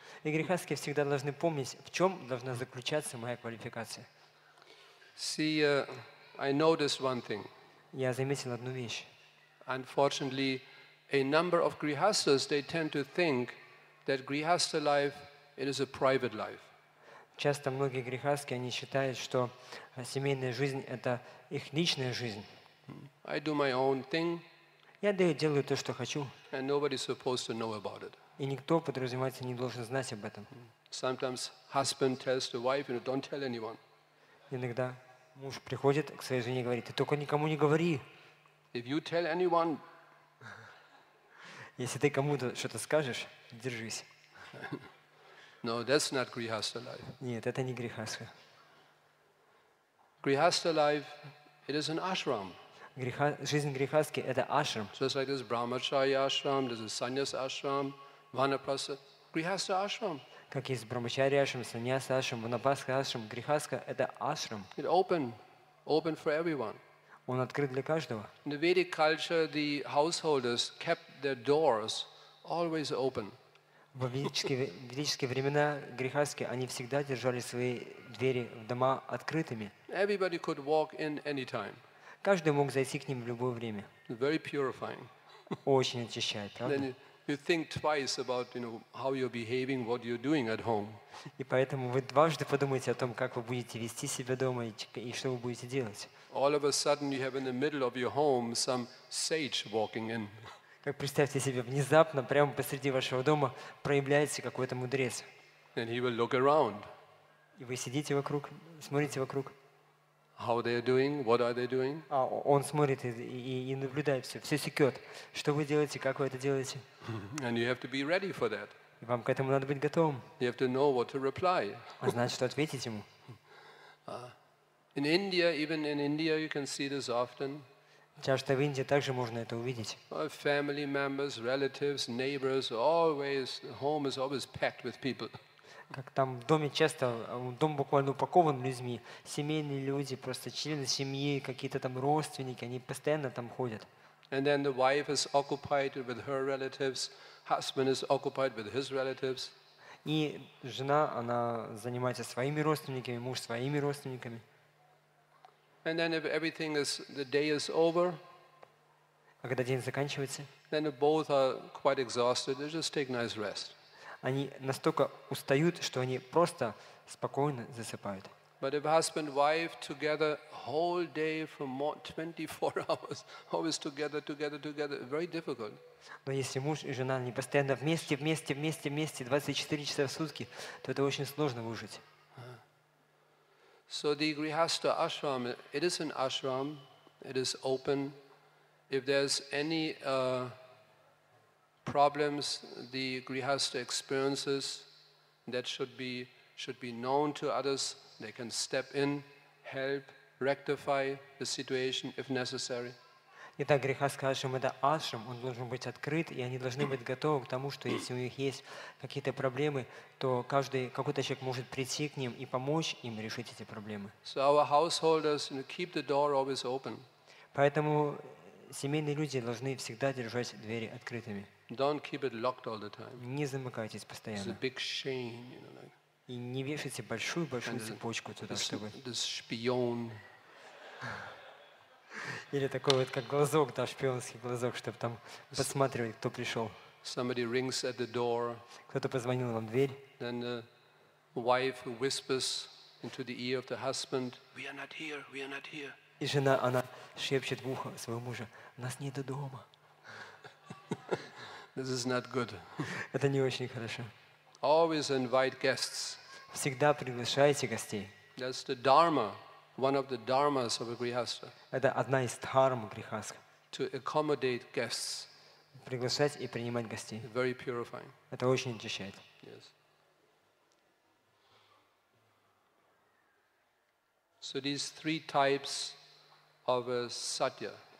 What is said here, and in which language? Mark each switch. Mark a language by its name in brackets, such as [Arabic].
[Russian] И грехаски всегда должны помнить, в чем должна заключаться моя квалификация. [English] See, I noticed one thing. [Russian] Я заметил одну вещь. [English] Unfortunately, a number of grihasthas, they tend to think that grihastha life, it is a private life. [Russian] Часто многие грехаски, они считают, что семейная жизнь – это их личная жизнь. [English] I do my own thing. [Russian] Я делаю то, что хочу. [English] And nobody's supposed to know about it. [Russian] И никто, подразумевается, не должен знать об этом. [English] Sometimes husband tells the wife, you know, don't tell anyone. [Russian] Иногда муж приходит к своей жене и говорит, ты только никому не говори. [English] If you tell anyone, [Russian] если ты кому-то что-то скажешь, держись. [English] No, that's not grihastha life. [Russian] Нет, это не грехаска. [English] Grihastha life, it is an ashram. [Russian] Жизнь грехаски это ашрам. [English] Just like this brahmachari ashram, this is sannyas ashram. [Russian] Ванапраса, грихаста ашрам. Как есть брамачари ашрам, саньяса ашрам, ванапраса ашрам, грихаска – это ашрам. [English] It's open for everyone. [Russian] Он открыт для каждого. [English] In the Vedic culture, the householders kept their doors always open. [Russian] В ведические времена грихаски, они всегда держали свои двери в дома открытыми. [English] Everybody could walk in anytime. [Russian] Каждый мог зайти к ним в любое время. [English] Very purifying. [Russian] Очень очищает, правда? [English] you think twice about, you know, how you're behaving, what you're doing at home. [Russian] И поэтому вы дважды подумаете о том, как вы будете вести себя дома и что вы будете делать. [English] All of a sudden you have in the middle of your home some sage walking in. [Russian] Как представьте себе, внезапно прямо посреди вашего дома проявляется какой-то мудрец. [English] And he will look around. [Russian] И вы сидите вокруг, смотрите вокруг. [English] How they are doing? What are they doing? [Russian] А он смотрит и наблюдает все, все секет. Что вы делаете, как вы это делаете? [English] And you have to be ready for that. [Russian] И вам к этому надо быть готовым. [English] You have to know what to reply. [Russian] А знать, что ответить ему. [English] In India, even in India, you can see this often. [Russian] Часто в Индии также можно это увидеть. [English] Family members, relatives, neighbors, always home is always packed with people. [Russian] Как там в доме часто, дом буквально упакован людьми, семейные люди, просто члены семьи, какие-то там родственники, они постоянно там ходят. [English] And then the wife is occupied with her relatives, husband is occupied with his relatives. [Russian] И жена, она занимается своими родственниками, муж своими родственниками. [English] And then if everything is, the day is over, [Russian] а когда день заканчивается, [English] then if both are quite exhausted, they just take nice rest. [Russian] Они настолько устают, что они просто спокойно засыпают. [English] But if husband and wife together whole day for more 24 hours, always together, together, together, very difficult. [Russian] Но если муж и жена не постоянно вместе, вместе, вместе, вместе 24 часа в сутки, то это очень сложно выжить. [English] So the grihastha ashram, it is an ashram, it is open. If there's any problems the grihastha experiences, that should be known to others. They can step in, help, rectify the situation if necessary. [Russian] Итак, грихастха ашрам — это ашрам, он должен быть открыт, и они должны быть готовы к тому, что если у них есть какие-то проблемы, то каждый, какой-то человек может прийти к ним и помочь им решить эти проблемы. [English] So our householders, you know, keep the door always open. [Russian] Поэтому семейные люди должны всегда держать двери открытыми. [English] Don't keep it locked all the time. [Russian] Не замыкайтесь постоянно. [English] It's a big chain, you know, like. [Russian] И не вешайте большую-большую цепочку туда, [English] this, [Russian] чтобы... [English] This шпион. [Russian] Или такой вот как глазок, да, шпионский глазок, чтобы там подсматривать, кто пришел. [English] Somebody rings at the door. [Russian] Кто-то позвонил вам в дверь. [English] Then the wife whispers into the ear of the husband, we are not here, we are not here. [Russian] И жена, она шепчет в ухо своего мужа, нас нет дома. [English] This is not good. [Russian] Это не очень хорошо. [English] Always invite guests. [Russian] Всегда приглашайте гостей. [English] That's the dharma, one of the dharmas of a grihastha. [Russian] Это одна из дхарм грихастха. [English] To accommodate guests. [Russian] Приглашать и принимать гостей. [English] Very purifying. [Russian] Это очень очищает. [English] Yes. So these three types of a satya.